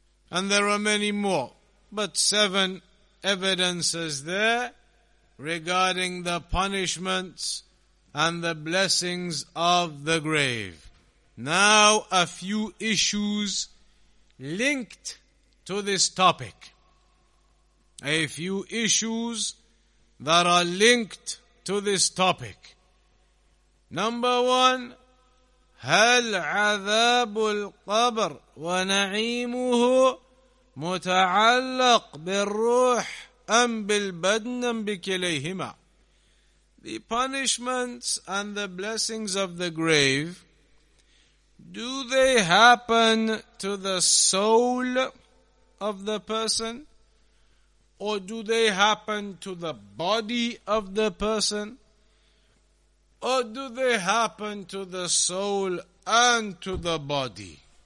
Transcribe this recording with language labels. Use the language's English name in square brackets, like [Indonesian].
[English] And there are many more, but seven evidences there regarding the punishments and the blessings of the grave. Now a few issues linked to this topic. a few issues that are linked to this topic. Number one, [Arabic] هل عذاب القبر ونعيمه متعلق بالروح أم بالبدن أم بكليهما? [English] The punishments and the blessings of the grave, do they happen to the soul of the person, or do they happen to the body of the person, or do they happen to the soul and to the body?